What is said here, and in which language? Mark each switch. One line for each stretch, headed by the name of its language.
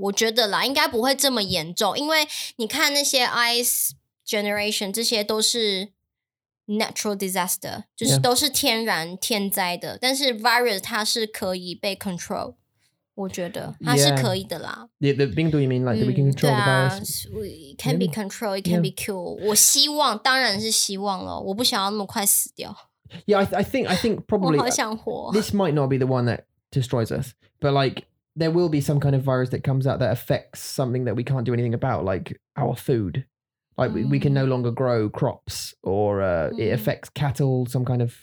Chinese: 我觉得啦， 应该不会这么严重， 因为你看那些
English: ice generation
Chinese: 这些都是
English: natural disaster，
Chinese: 就是都是天然天灾的。但是 virus 它是可以被 control， 我觉得 它是可以的啦。
English: 病毒 you mean like that we can control the virus?
Chinese: 对啊，
English: can be controlled, can be cured.
Chinese: 我希望， 当然是希望了， 我不想要那么快死掉。
English: Yeah, I think probably this might not be the one that destroys us, but like there will be some kind of virus that comes out that affects something that we can't do anything about, like our food. Like we can no longer grow crops or it affects cattle, some kind of...